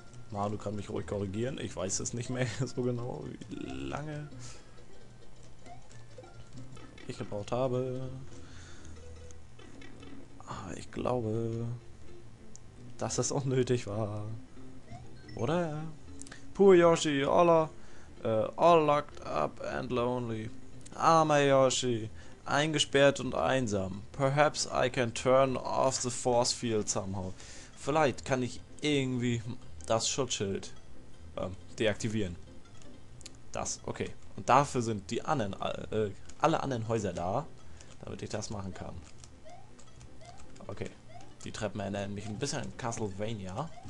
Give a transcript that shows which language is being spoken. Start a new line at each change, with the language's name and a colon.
German: Manu kann mich ruhig korrigieren. Ich weiß es nicht mehr so genau, wie lange ich gebraucht habe. Ich glaube, dass das auch nötig war. Oder?
English: Poor Yoshi, all locked up and lonely.
German: Armer Yoshi, eingesperrt und einsam.
English: Perhaps I can turn off the force field somehow.
German: Vielleicht kann ich irgendwie das Schutzschild deaktivieren. Das, okay. Und dafür sind die anderen, alle anderen Häuser da, damit ich das machen kann. Okay, die Treppen erinnern mich ein bisschen an Castlevania.